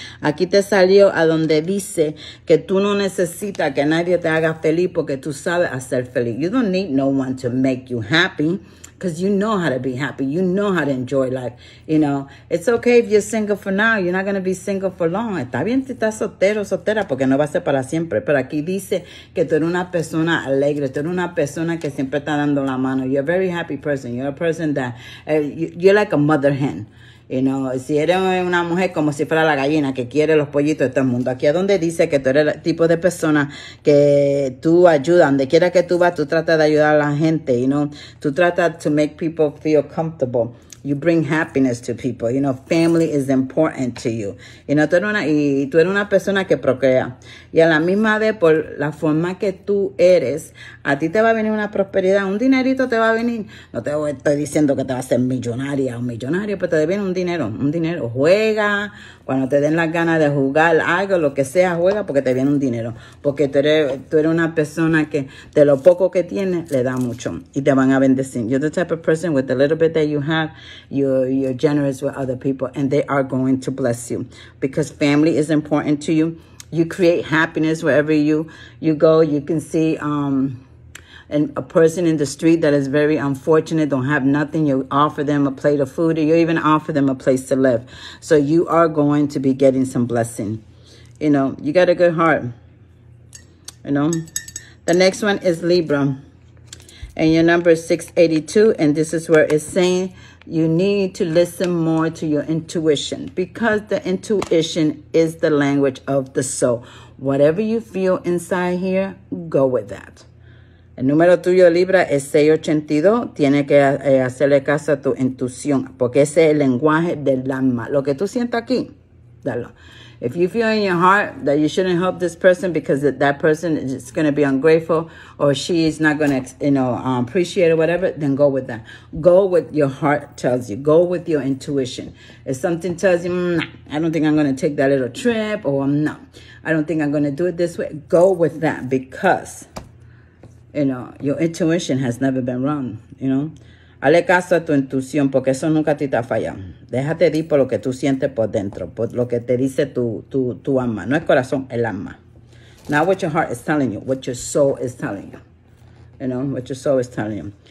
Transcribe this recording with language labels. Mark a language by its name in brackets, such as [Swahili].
[Spanish] Aquí te salió a donde dice que tú no necesitas que nadie te haga feliz porque tú sabes hacer feliz. [English] You don't need no one to make you happy. Because you know how to be happy. You know how to enjoy life. You know, it's okay if you're single for now. You're not going to be single for long. [Spanish] Está bien si estás soltero, soltera, porque no va a ser para siempre. Pero aquí dice que tú eres una persona alegre. Tú eres una persona que siempre está dando la mano. [English] You're a very happy person. You're a person that, you're like a mother hen. [Spanish] You know, si eres una mujer como si fuera la gallina que quiere los pollitos de todo el mundo. Aquí es donde dice que tú eres el tipo de persona que tú ayudas. Donde quiera que tú vas, tú tratas de ayudar a la gente, you know. Tú tratas [English] to make people feel comfortable. You bring happiness to people. You know, family is important to you. [Spanish] You know, tú eres una persona que procrea. Y a la misma vez, por la forma que tú eres, a ti te va a venir una prosperidad. Un dinerito te va a venir. No te estoy diciendo que te va a ser millonaria o millonario, pero te viene un dinero. Un dinero. Juega. Cuando te den las ganas de jugar algo, lo que sea, juega, porque te viene un dinero. Porque tú eres una persona que de lo poco que tienes, le da mucho. Y te van a bendecir. [English] You're the type of person with the little bit that you have. You're generous with other people, and they are going to bless you because family is important to you. You create happiness wherever you go. You can see a person in the street that is very unfortunate, don't have nothing. You offer them a plate of food, or you even offer them a place to live. So you are going to be getting some blessing. You know, you got a good heart. You know, the next one is Libra, and your number is 682, and this is where it's saying you need to listen more to your intuition, because the intuition is the language of the soul. Whatever you feel inside here, go with that. [Spanish] El número tuyo, Libra, es 682. Tiene que hacerle caso a tu intuición, porque ese es el lenguaje del alma. Lo que tú sientas aquí, dalo. [English] If you feel in your heart that you shouldn't help this person because that person is going to be ungrateful, or she is not going to, you know, appreciate or whatever, then go with that. Go with your heart tells you. Go with your intuition. If something tells you, I don't think I'm going to take that little trip, or no, I don't think I'm going to do it this way, go with that, because, you know, your intuition has never been wrong, you know. [Spanish] Hazle caso a tu intuición, porque eso nunca te está fallando. Déjate ir por lo que tú sientes por dentro, por lo que te dice tu alma. No es corazón, el alma. [English] Not what your heart is telling you, what your soul is telling you. You know, what your soul is telling you.